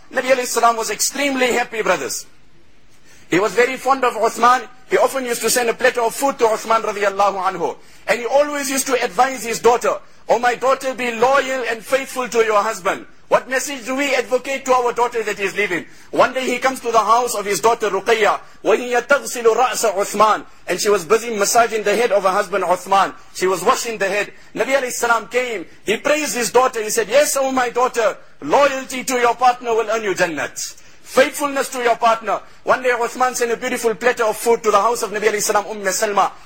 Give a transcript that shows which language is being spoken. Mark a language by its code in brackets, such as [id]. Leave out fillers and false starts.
[en] Nabi alayhi salam was extremely happy, brothers. He was very fond of Uthman. He often used to send a platter of food to Uthman radiallahu anhu. And he always used to advise his daughter, Oh my daughter, be loyal and faithful to your husband. What message do we advocate to our daughter that is leaving? One day he comes to the house of his daughter Ruqayya. [ar] وَهِيَ تَغْسِلُ رَأْسَ Uthman. [en] And she was busy massaging the head of her husband Uthman. She was washing the head. Nabi alayhi salam came. He praised his daughter. He said, Yes, oh my daughter, loyalty to your partner will earn you Jannat. Faithfulness to your partner. One day Uthman sent a beautiful platter of food to the house of Nabi alayhi salam, Umm Salma.